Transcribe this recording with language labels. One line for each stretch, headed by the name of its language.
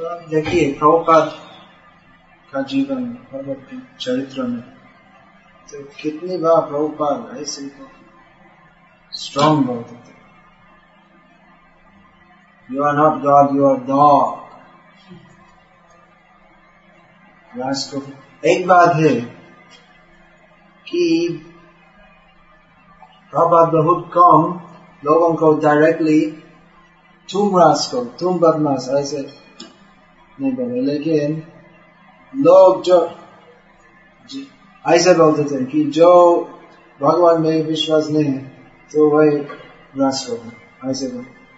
Hindi: देखिए प्रभुपाद का जीवन भगवत चरित्र में तो कितनी बार प्रभुपाद ऐसे स्ट्रॉन्ग बहुत होते.
English: You are not God, you are dog.
Hindi: Last of एक बात है कि प्रभुपाद बहुत कम लोगों को डायरेक्टली तुम रास्को तुम बदमाश ऐसे नहीं बोले, लेकिन लोग जो ऐसे बोलते थे कि जो भगवान में विश्वास नहीं है तो वही रास्को ऐसे बोले.